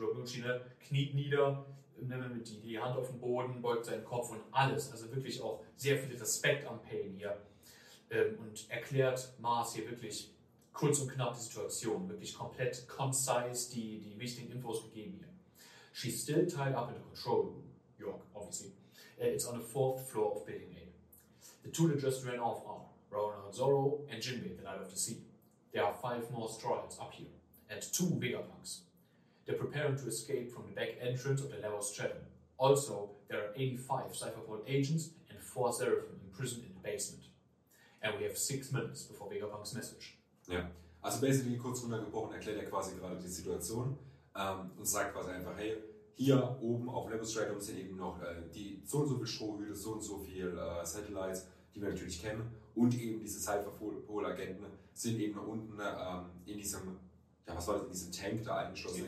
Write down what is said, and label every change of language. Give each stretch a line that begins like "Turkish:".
German: Rob Lucci, ne, kniet nieder, nimmt die Hand auf den Boden, beugt seinen Kopf und alles. Also wirklich auch sehr viel Respekt am Pain hier. Und erklärt Mars hier wirklich kurz und knapp die Situation, wirklich komplett concise die wichtigen Infos gegeben hier.
English: She's still tied up in the control room, York, obviously. It's on the fourth floor of Building A. The two that just ran off are Ronald Zorro and Jinbei, the Light of the Sea. There are five more straw hats up here, and two Vegapunks. They're preparing to escape from the back entrance of the Lava Stratum. Also, there are 85 Cypherpole agents and four Seraphim imprisoned in the basement. And we have 6 minutes before Vegapunk's message.
German: Ja, also basically kurz runtergebrochen erklärt er quasi gerade die Situation und sagt quasi einfach, hey, hier oben auf Level Stratum sind eben noch die so und so viel Strohhüte, so und so viel Satellites, die wir natürlich kennen, und eben diese Cypherpole-Agenten sind eben unten in diesem, ja, was war das, in diesem Tank da eingeschlossen.